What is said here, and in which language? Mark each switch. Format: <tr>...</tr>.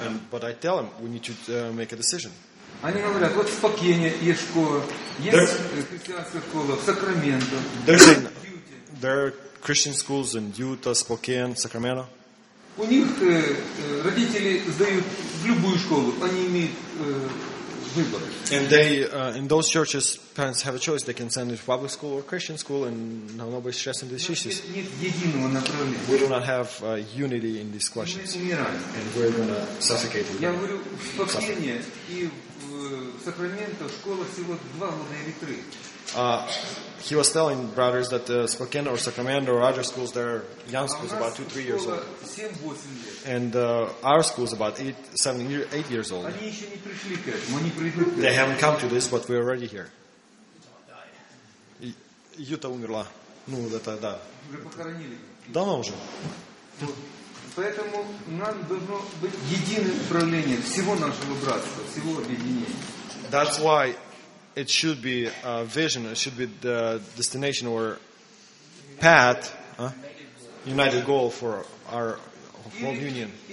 <en>But I tell him, we need to make a decision.</en> <ru>Они говорят, вот в Пакене есть школа, есть христианская школа, в Сакраменто.</ru> <en>There are Christian schools in Utah, Spokane, Sacramento.</en> <ru>У них родители сдают в любую школу. Они имеют выбор.</ru> <en>And they in those churches parents have a choice. They can send it to public school or Christian school, and nobody's stressing these issues.</en> <ru>Нет единого направления.</ru> <en>We do not have unity in these questions.</en> <ru>Мы умираем.</ru> <en>And we're going to suffocate.</en> <ru>Я говорю, в Спокене и в Сакраменто школа всего два года или три.</ru> <en>He was telling brothers that Spokane or Sacramento or other schools, they're young schools, about 2-3 years old. And our school is about 8 years old. They haven't come to this, but we're already here.</en> <ru>Utah умерла. Ну, это да. Уже похоронили. Давно уже. Поэтому нам должно быть единое управление всего нашего братства, всего объединения.</ru> <en>That's why it should be a vision, it should be the destination or path, united goal for our whole union.</en>